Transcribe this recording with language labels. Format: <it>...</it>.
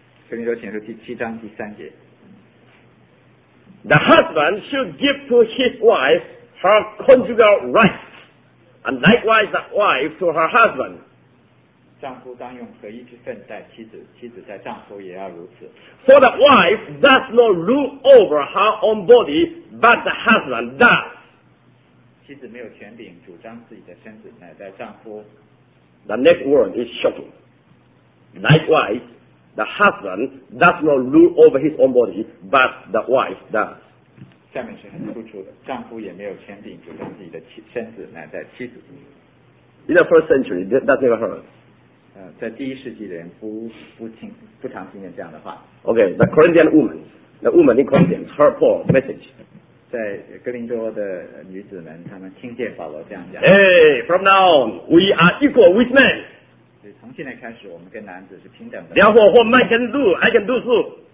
<zh>哥林多前书第七章第三节。</zh> <en>The husband should give to his wife her conjugal rights, and likewise the wife to her husband.</en> <zh>丈夫当用合一之分待妻子，妻子待丈夫也要如此。</zh> <en>For the wife does not rule over her own body, but the husband does.</en> <zh>妻子没有权柄主张自己的身子，乃在丈夫。</zh> <en>The next word is shocking. Likewise, the husband does not rule over his own body, but the wife does.</en> <zh>下面是很突出的，丈夫也没有权柄主张自己的身子，乃在妻子。</zh> <en>In the first century, that's never heard.</en> <zh>在第一世纪的人不常听见这样的话。</zh> <en>Okay, the Corinthian woman, the woman in Corinth, her Paul message.</en> <zh>在哥林多的女子们，她们听见保罗这样讲。</zh> <en>Hey, from now on, we are equal with men.</en> <zh>从现在开始，我们跟男子是平等的。</zh> <en>Therefore, what man can do, I can do too.</en>